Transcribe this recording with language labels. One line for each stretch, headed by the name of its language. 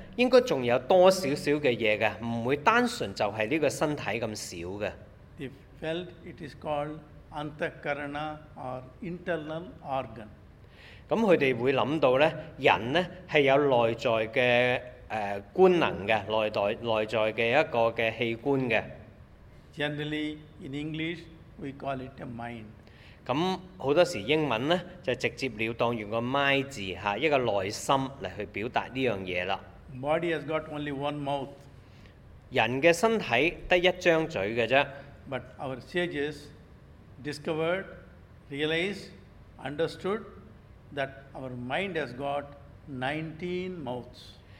Cantonese: 應該仲有多少少嘅嘢嘅，唔會單純就係呢個身體咁少嘅。
English: They felt it is called antakarana or internal organ.
Cantonese: 咁佢哋會諗到咧，人咧係有內在嘅官能嘅，內在嘅一個嘅器官嘅。
English: Generally in English, we call it a mind.
Cantonese: 咁好多時英文咧就直接了當用個 mind 字嚇，一個內心嚟去表達呢樣嘢啦。
English: Body has got only one mouth.
Cantonese: 人嘅身體得一張嘴嘅啫。
English: But our sages discovered, realized, understood that our mind has got 19 mouths.